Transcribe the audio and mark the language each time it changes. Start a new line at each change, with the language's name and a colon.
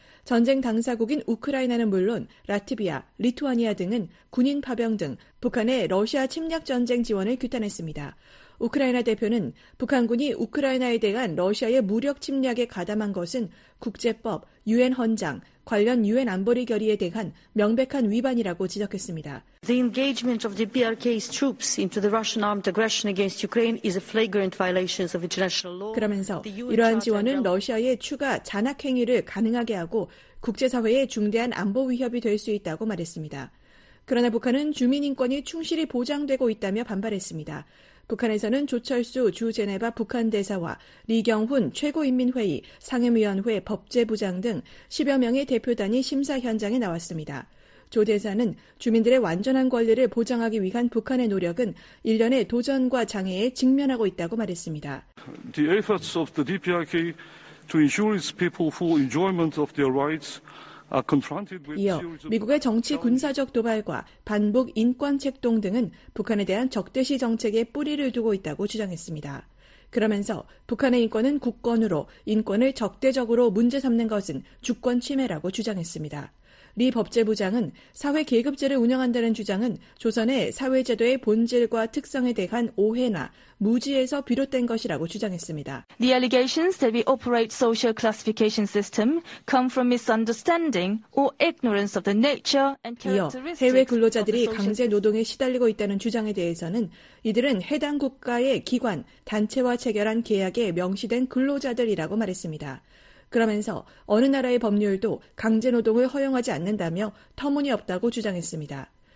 Korean: 전쟁 당사국인 우크라이나는 물론 라트비아, 리투아니아 등은 군인 파병 등 북한의 러시아 침략 전쟁 지원을 규탄했습니다. 우크라이나 대표는 북한군이 우크라이나에 대한 러시아의 무력 침략에 가담한 것은 국제법, 유엔 헌장, 관련 유엔 안보리 결의에 대한 명백한 위반이라고 지적했습니다.
English: The engagement of the DPRK's troops into the Russian armed aggression against Ukraine is a flagrant violation of international law.
Korean: 그러면서 이러한 지원은 러시아의 추가 잔악 행위를 가능하게 하고 국제사회의 중대한 안보 위협이 될 수 있다고 말했습니다. 그러나 북한은 주민 인권이 충실히 보장되고 있다며 반발했습니다. 북한에서는 조철수 주 제네바 북한 대사와 리경훈 최고인민회의 상임위원회 법제부장 등 10여 명의 대표단이 심사 현장에 나왔습니다. 조 대사는 주민들의 완전한 권리를 보장하기 위한 북한의 노력은 일련의 도전과 장애에 직면하고 있다고 말했습니다.
English: The efforts of the DPRK to ensure its people full enjoyment of their rights.
Korean: 이어 미국의 정치 군사적 도발과 반북 인권 책동 등은 북한에 대한 적대시 정책의 뿌리를 두고 있다고 주장했습니다. 그러면서 북한의 인권은 국권으로 인권을 적대적으로 문제 삼는 것은 주권 침해라고 주장했습니다. 리 법제부장은 사회 계급제를 운영한다는 주장은 조선의 사회제도의 본질과 특성에 대한 오해나 무지에서 비롯된 것이라고 주장했습니다.
English: The allegations that we operate social classification system come from misunderstanding or ignorance of the nature and characteristics.
Korean: 해외 근로자들이 강제 노동에 시달리고 있다는 주장에 대해서는 이들은 해당 국가의 기관, 단체와 체결한 계약에 명시된 근로자들이라고 말했습니다. 그러면서 어느 나라의 법률도 강제 노동을 허용하지 않는다며 터무니없다고 주장했습니다.